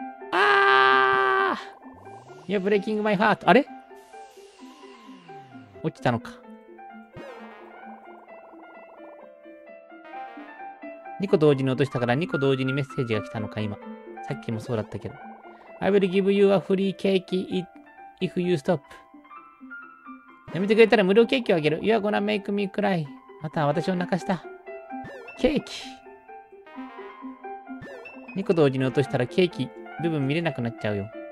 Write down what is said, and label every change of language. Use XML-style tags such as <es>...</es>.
<ja>ああ。いや、</ja> <en>ブレイキングマイハート。</en> <ja>あれ？落ちたのか。 2個同時に落としたから2個同時にメッセージが来たのか、今。さっきもそうだったけど。</ja> <en>I will give you a free cake if you stop.</en> <ja>やめてくれたら無料ケーキをあげる。</ja> <en>You are gonna make me cry.</en> <ja>または私を泣かした。ケーキ。 2個同時に落としたらケーキ部分見れなくなっちゃうよ。</ja>